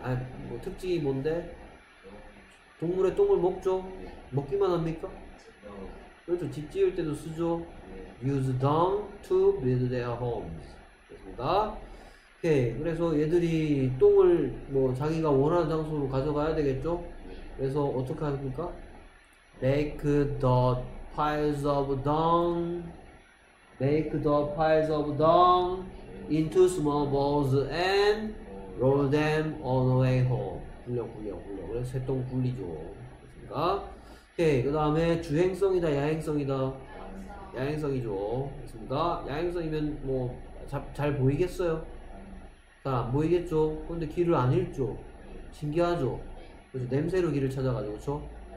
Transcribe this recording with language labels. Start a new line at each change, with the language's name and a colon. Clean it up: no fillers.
Korean: 아뭐 특징이 뭔데? 동물의 똥을 먹죠. 먹기만 합니까? 그렇죠. 집 지을 때도 쓰죠.
English: Use dung to build their homes.
Korean: 됐습니다. 오케이. 그래서 얘들이 똥을 뭐 자기가 원하는 장소로 가져가야 되겠죠? 그래서 어떻게 합니까?
English: Make the piles of dung, make the piles of dung into small balls and roll them all the way home.
Korean: 굴려, 굴려, 굴려. 그래서 쇳똥 굴리죠. 그렇습니까? 오케이. 그 다음에 주행성이다, 야행성이다. 야행성이죠. 그렇습니까? 야행성이면 뭐잘 보이겠어요? 잘안 보이겠죠? 근데 길을 안 잃죠? 신기하죠? 그래서 냄새로 길을 찾아가죠, 그쵸?